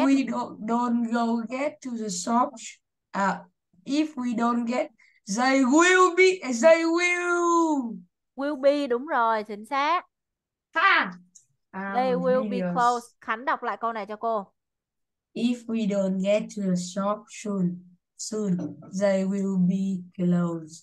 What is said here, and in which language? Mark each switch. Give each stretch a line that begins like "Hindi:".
English: if we don't go get to the shop, if we don't get, they will. Will be,
Vietnamese: đúng rồi, chính xác.
English: They will be closed. Videos.
Vietnamese: Khánh đọc lại câu này cho cô.
English: If we don't get to the shop soon, they will